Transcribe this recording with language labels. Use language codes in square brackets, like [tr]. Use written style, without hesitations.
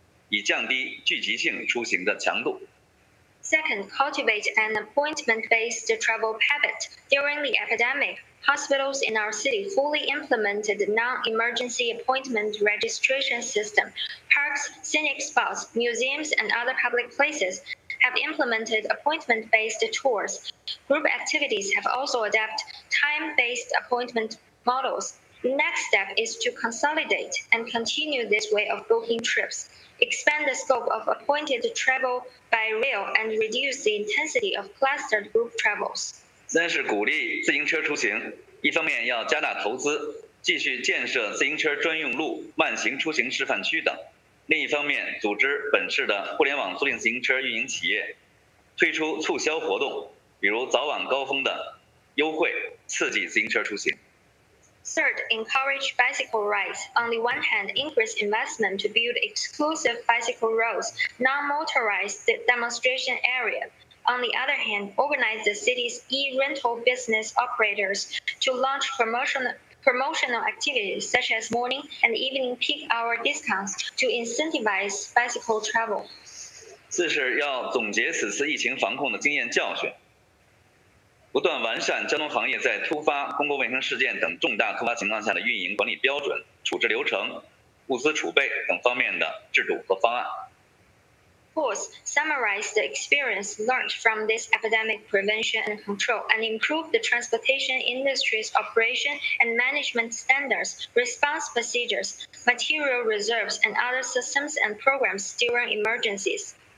[zh] 医院全面实施非急诊预约挂号，公园、景点、博物馆等公共场所实行预约游览，群众性活动也采取了分时段预约的模式。下一步，北京市将固化和延续这些预约出行的方式，包括进一步扩大地铁预约进站等试点，以降低聚集性出行的强度。 [en] Second, cultivate an appointment-based travel habit. During the epidemic, hospitals in our city fully implemented non-emergency appointment registration system. Parks, scenic spots, museums, and other public places have implemented appointment-based tours. Group activities have also adapted time-based appointment models. Next step is to consolidate and continue this way of booking trips. Expand the scope of appointed travel by rail and reduce the intensity of clustered group travels. [zh] 三是鼓励自行车出行，一方面要加大投资，继续建设自行车专用路、慢行出行示范区等；另一方面，组织本市的互联网租赁自行车运营企业，推出促销活动，比如早晚高峰的优惠，刺激自行车出行。 [en] Third, encourage bicycle rides. On the one hand, increase investment to build exclusive bicycle roads, non-motorized demonstration area. On the other hand, organize the city's e-rental business operators to launch promotional activities such as morning and evening peak hour discounts to incentivize bicycle travel. [zh] 四是要总结此次疫情防控的经验教训，不断完善交通行业在突发公共卫生事件等重大突发情况下的运营管理标准、处置流程、物资储备等方面的制度和方案。 [en] Fourth, summarize the experience learned from this epidemic prevention and control and improve the transportation industry's operation and management standards, response procedures, material reserves, and other systems and programs during emergencies.